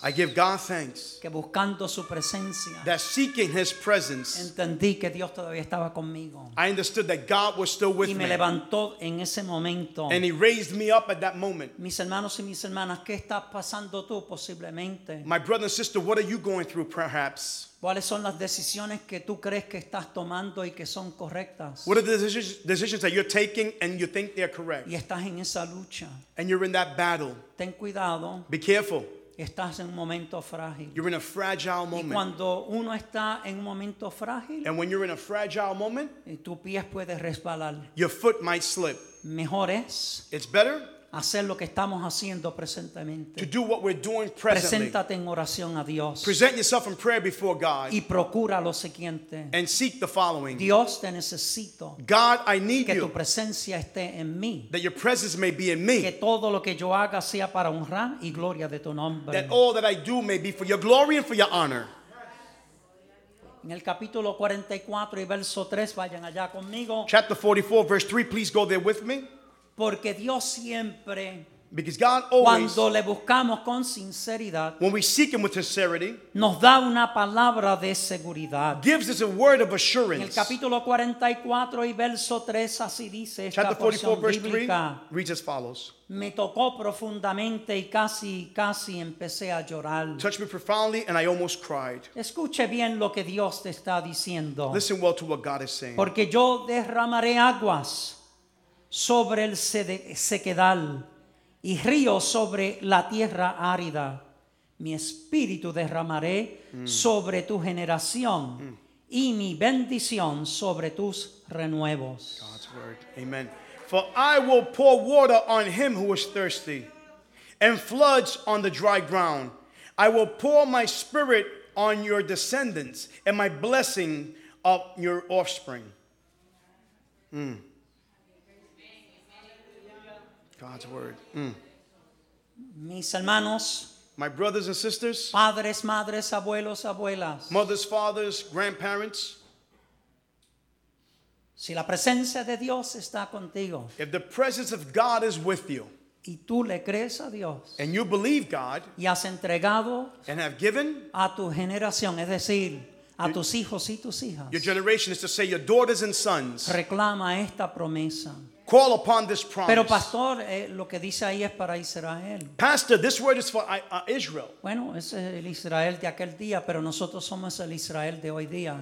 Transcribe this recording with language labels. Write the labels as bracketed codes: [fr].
[en] I give God thanks. [es] Que buscando su presencia. [en] That seeking his presence. [es] Entendí que Dios todavía estaba conmigo. [en] I understood that God was still with me. [es] Y me levantó en ese momento. [en] And he raised me up at that moment. [es] Mis hermanos y mis hermanas, ¿qué estás pasando tú posiblemente? [en] My brother and sister, what are you going through perhaps? [es] ¿Cuáles son las decisiones que tú crees que estás tomando y que son correctas? [en] What are the decisions that you're taking and you think they're correct? [es] Y estás en esa lucha. [en] And you're in that battle. [es] Ten cuidado. [en] Be careful. [es] Estás en un momento frágil. [en] You're in a fragile moment. [es] Y cuando uno está en un momento frágil, [en] and when you're in a fragile moment, [es] tu pie puede resbalar. [en] Your foot might slip. [es] Mejor es. [en] It's better. [es] Hacer lo que estamos haciendo presentemente. [en] To do what we're doing presently. [es] Preséntate en oración a Dios. [en] Present yourself in prayer before God. [es] Y procura lo siguiente. [en] And seek the following. [es] Dios, te necesito. [en] God, I need [es] que [en] you. [es] Que tu presencia esté en mí. [en] That your presence may be in me. [es] Que todo lo que yo haga sea para honra y gloria de tu nombre. [en] That all that I do may be for your glory and for your honor. [es] En el capítulo 44 y verso 3, vayan allá conmigo. [en] Chapter 44, verse 3, please go there with me. [es] Porque Dios siempre, [en] because God always, [es] cuando le buscamos con sinceridad, [en] when we seek him with sincerity, [es] nos da una palabra de seguridad. [en] Gives us a word of assurance. [es] En el capítulo 44 y verso 3 así dice esta [en] chapter 44 [es] porción [en] verse [es] bíblica, [en] 3 reads as follows. [es] Me tocó profundamente y casi empecé a llorar. [en] Touched me profoundly and I almost cried. [es] Escuche bien lo que Dios te está diciendo. [en] Listen well to what God is saying. [es] Porque yo derramaré aguas sobre el sequedal y río sobre la tierra árida. Mi espíritu derramaré sobre tu generación y mi bendición sobre tus renuevos. [en] God's word. Amen. For I will pour water on him who is thirsty and floods on the dry ground. I will pour my spirit on your descendants and my blessing of your offspring. God's word. [es] Mis hermanos, [en] my brothers and sisters, [es] padres, madres, abuelos, abuelas, [en] mothers, fathers, grandparents, [es] si la presencia de Dios está contigo, [en] if the presence of God is with you, [es] y tú le crees a Dios, [en] and you believe God, [es] y has entregado, [en] and have given, [es] a tu generación, es decir, a tus hijos y tus hijas, [en] your generation is to say your daughters and sons, [es] reclama esta promesa. [en] Call upon this promise. [es] Pero pastor, lo que dice ahí es para Israel. [en] Pastor, this word is for Israel. [es] Bueno, ese es el Israel de aquel día, pero nosotros somos el Israel de hoy día.